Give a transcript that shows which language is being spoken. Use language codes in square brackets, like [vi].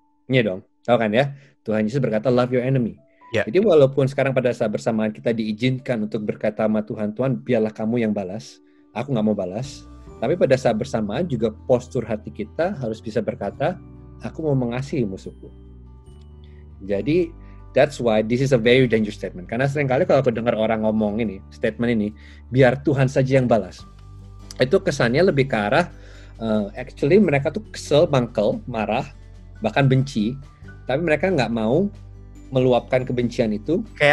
[id] Iya dong, tahu kan ya? Tuhan Yesus berkata, [en] love your enemy. [id] Yeah. Jadi walaupun sekarang pada saat bersamaan kita diizinkan untuk berkata sama Tuhan, Tuhan biarlah kamu yang balas, aku gak mau balas. Tapi pada saat bersamaan juga postur hati kita harus bisa berkata, aku mau mengasihi musuhku. [en] Jadi that's why this is a very dangerous statement. [id] Karena seringkali kalau aku dengar orang ngomong ini, statement ini, biar Tuhan saja yang balas. Itu kesannya lebih ke arah, actually mereka tuh kesel, mangkel, marah, bahkan benci. Tapi mereka gak mau meluapkan kebencian itu.